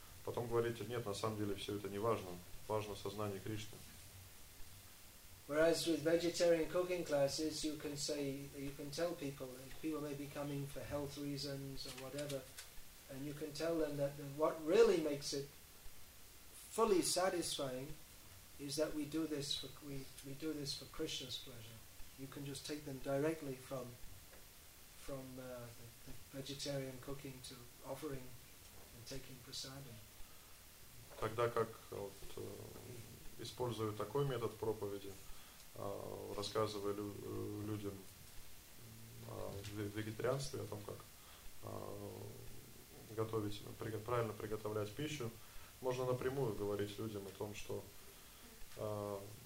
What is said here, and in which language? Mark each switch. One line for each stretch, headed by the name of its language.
Russian: Потом говорите, нет, на самом деле все это не важно. Важно сознание Кришны.
English: Whereas with vegetarian cooking classes, you can say, you can tell people, like people may be coming for health reasons or whatever, and you can tell them that what really makes it fully satisfying is that we do this for Krishna's pleasure. You can just take them directly from the vegetarian cooking to offering and taking prasada.
Russian: Тогда как вот, используя такой метод проповеди, рассказывая людям о вегетарианстве, о том, как правильно приготовлять пищу, можно напрямую говорить людям о том, что